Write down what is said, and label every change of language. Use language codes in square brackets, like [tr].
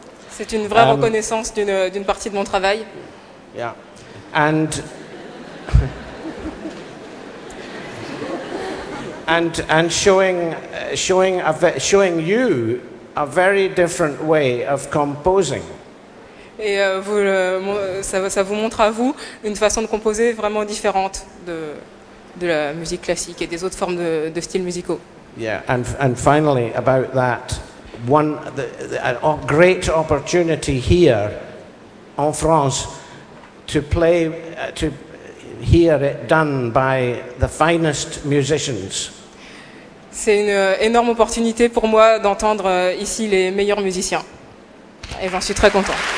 [fr] C'est une vraie reconnaissance d'une partie de mon travail. [en] Yeah, and and showing you a very different way of composing. [fr] Et ça vous montre à vous une façon de composer vraiment différente de la musique classique et des autres formes de styles musicaux. [en] Yeah, and finally about that one, a great opportunity here [fr] en France [en] to play to hear it done by the finest musicians. [fr] C'est une énorme opportunité pour moi d'entendre ici les meilleurs musiciens. Et j'en suis très content.